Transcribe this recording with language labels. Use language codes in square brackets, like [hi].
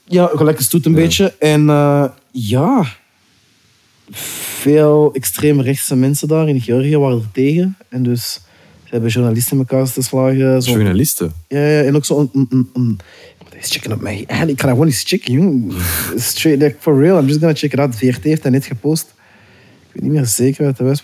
[nl] Ja, gelijk een stoet een beetje. En veel extreemrechtse mensen daar in Georgië waren er tegen. En dus ze hebben journalisten in elkaar te slagen. Zo. Journalisten? Ja, en ook zo ik moet eens checken op mij. En ik ga gewoon eens checken, jongen. [en] Straight, like, for real, I'm just gonna check it out. [nl] VRT heeft dat net gepost. Ik weet niet meer zeker wat het was.